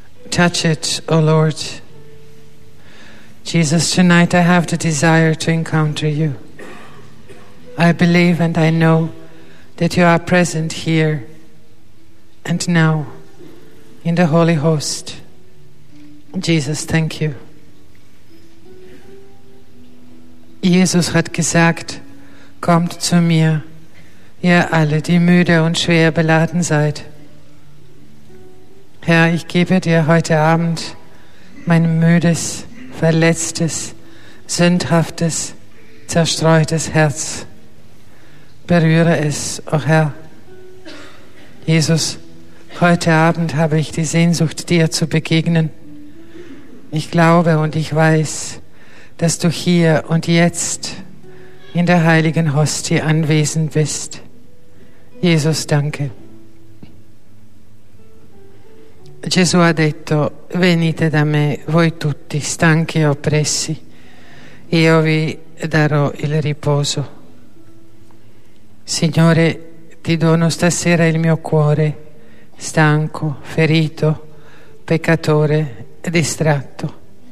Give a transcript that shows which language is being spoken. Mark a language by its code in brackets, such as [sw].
[en] Touch it, O Lord. Jesus, tonight I have the desire to encounter you. I believe and I know that you are present here and now in the Holy Host. Jesus, thank you. [de] Jesus hat gesagt, kommt zu mir, ihr alle, die müde und schwer beladen seid. Herr, ich gebe dir heute Abend mein müdes, verletztes, sündhaftes, zerstreutes Herz. Berühre es, oh Herr. Jesus, heute Abend habe ich die Sehnsucht, dir zu begegnen. Ich glaube und ich weiß, dass du hier und jetzt in der heiligen Hostie anwesend bist. Jesus, danke. [it] Gesù ha detto, venite da me, voi tutti, stanchi e oppressi, io vi darò il riposo. Signore, ti dono stasera il mio cuore, stanco, ferito, peccatore, distratto.